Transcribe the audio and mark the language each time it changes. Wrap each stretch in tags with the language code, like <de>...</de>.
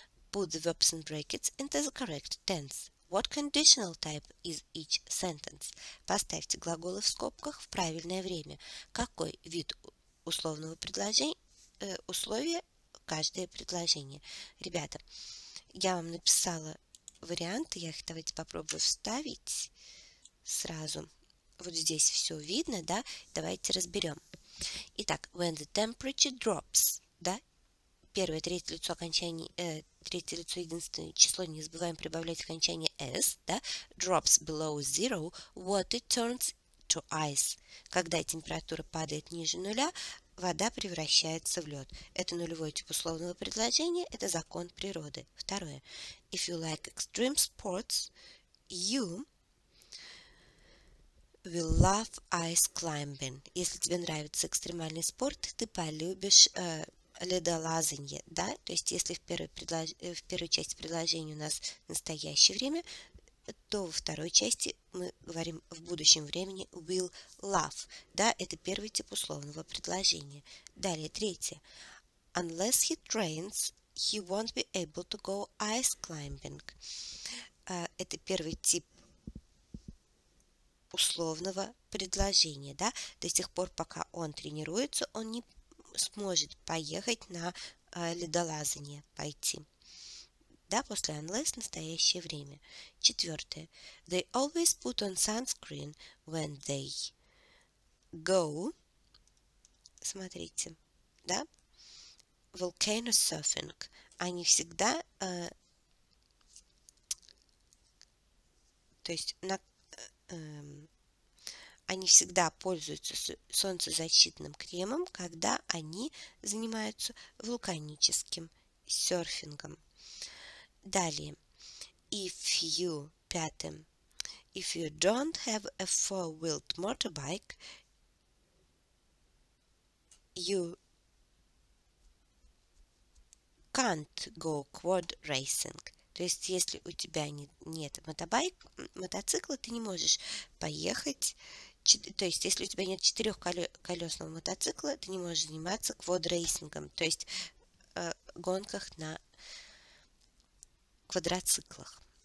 <en>Put the verbs in brackets into the correct tense. What conditional type is each sentence?</en> <ru>Поставьте глаголы в скобках в правильное время. Какой вид условного условия каждое предложение? Ребята, я вам написала варианты, я их давайте попробую вставить сразу. Вот здесь все видно, да? Давайте разберем. Итак,</ru> <en>when the temperature drops,</en> <ru>да? Первое, третье лицо окончание, третье лицо единственное число, не забываем прибавлять окончание s, да?</ru> <en>Drops below zero, what it turns to ice.</en> <ru>Когда температура падает ниже нуля, вода превращается в лед. Это нулевой тип условного предложения, это закон природы. Второе.</ru> <en>If you like extreme sports, you will love ice climbing.</en> <ru>Если тебе нравится экстремальный спорт, ты полюбишь ледолазанье. Да? То есть, если в первой части предложения у нас настоящее время, то во второй части мы говорим в будущем времени</ru> <en>will love.</en> <ru>Да, это первый тип условного предложения. Далее, третье.</ru> <en>Unless he trains, he won't be able to go ice climbing.</en> <ru>Это первый тип условного предложения. Да? До тех пор, пока он тренируется, он не сможет поехать на ледолазание пойти. Да, после unless настоящее время. Четвертое.</ru> <en>They always put on sunscreen when they go.</en> <ru>Смотрите, да? Volcano surfing. Они всегда, то есть, они всегда пользуются солнцезащитным кремом, когда они занимаются вулканическим серфингом. Далее,</ru> <en>if you don't have a four-wheeled motorbike, you can't go quad racing.</en> <ru>То есть, если у тебя нет мотоцикла, ты не можешь поехать. То есть, если у тебя нет четырехколесного мотоцикла, ты не можешь заниматься quad racing-ом, то есть гонках на квадроциклах.</ru>